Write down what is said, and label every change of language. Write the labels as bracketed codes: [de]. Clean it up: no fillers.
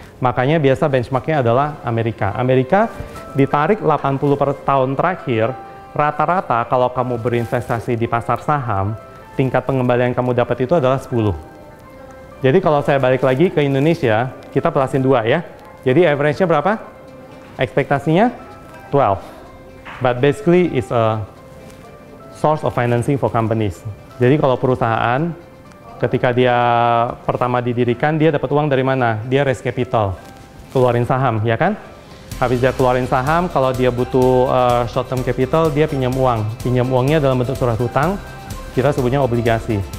[id] Makanya biasa benchmark-nya adalah Amerika. Amerika ditarik 80 tahun terakhir, rata-rata kalau kamu berinvestasi di pasar saham, tingkat pengembalian kamu dapat itu adalah 10. Jadi kalau saya balik lagi ke Indonesia, kita plusin 2 ya. Jadi average-nya berapa? Ekspektasinya 12. [en] But basically it's a source of financing for companies. [id] Jadi kalau perusahaan ketika dia pertama didirikan, dia dapat uang dari mana? Dia raise capital, keluarin saham, ya kan? Habis dia keluarin saham, kalau dia butuh short term capital, dia pinjam uang. Pinjam uangnya dalam bentuk surat hutang, kita sebutnya obligasi.